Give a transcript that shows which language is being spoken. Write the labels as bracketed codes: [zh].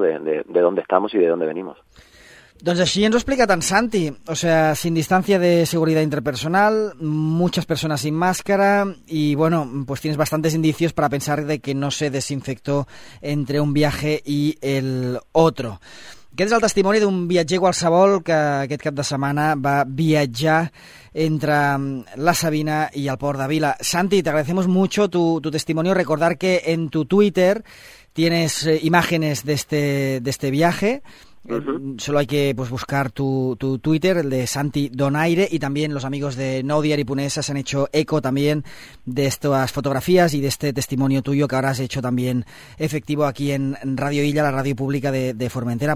[es] De dónde estamos y de dónde venimos. [ca] Doncs així ens ho explica tant Santi, [es] o sea, sin distancia de seguridad interpersonal, muchas personas sin máscara y bueno, pues tienes bastantes indicios para pensar de que no se desinfectó entre un viaje y el otro. [ca] Aquest és el testimoni d'un viatger qualsevol que aquest cap de setmana va viatjar entre la Sabina i el Port de Vila. [es] Santi, te agradecemos mucho tu testimonio. Recordar que en tu Twitter tienes imágenes de este viaje. Solo hay que pues buscar tu Twitter, el de Santi Donaire, y también los amigos de Nou Diari Punesa se han hecho eco también de estas fotografías y de este testimonio tuyo que ahora has hecho también efectivo aquí en Radio Illa, la radio pública de Formentera.